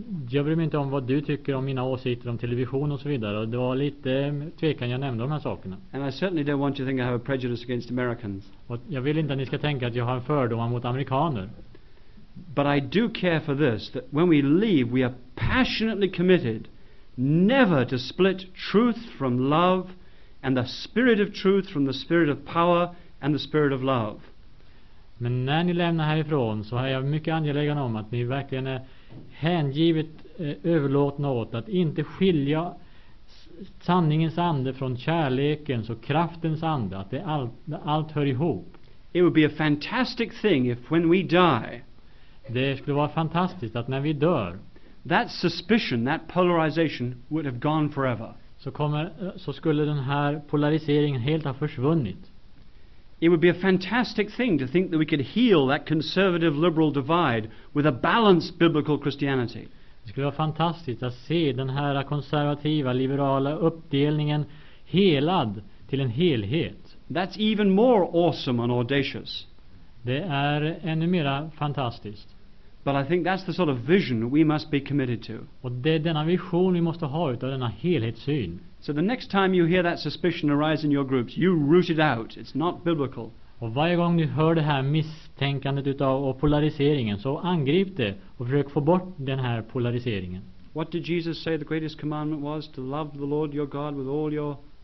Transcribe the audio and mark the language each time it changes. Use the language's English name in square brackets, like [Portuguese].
[Swedish] Jag bryr mig inte om vad du tycker om mina åsikter om television och så vidare. Det var lite tvekan jag nämnde de här sakerna. [English] And I certainly don't want you to think I have a prejudice against Americans. [Swedish] Och jag vill inte att ni ska tänka att jag har en fördom mot amerikaner. [English] But I do care for this, that when we leave we are passionately committed never to split truth from love and the spirit of truth from the spirit of power and the spirit of love. [Swedish] Men när ni lämnar härifrån, så är jag mycket angelägen om att ni verkligen är hängivet överlåtna åt att inte skilja sanningens ande från kärlekens och kraftens ande, att det allt hör ihop. [English] It would be a fantastic thing if when we die. [Swedish] Det skulle vara fantastiskt att när vi dör, [English] that suspicion, that polarization would have gone forever. [Swedish] Så skulle den här polariseringen helt ha försvunnit. [English] It would be a fantastic thing to think that we could heal that conservative liberal divide with a balanced biblical Christianity. [Swedish] Det skulle vara fantastiskt att se den här konservativa liberala uppdelningen helad till en helhet. [English] That's even more awesome and audacious. [Swedish] Det är ännu mer fantastiskt. [English] But I think that's the sort of vision we must be committed to. [Swedish] Och det är denna vision vi måste ha utav denna helhetssyn. [English] So the next time you hear that suspicion arise in your groups, you root it out. It's not biblical. [Swedish] Och varje gång ni hör det här misstänkandet utav och polariseringen, så angrip det och försök få bort den här polariseringen. [English] What did Jesus say the greatest commandment was? To love the Lord your God with all your...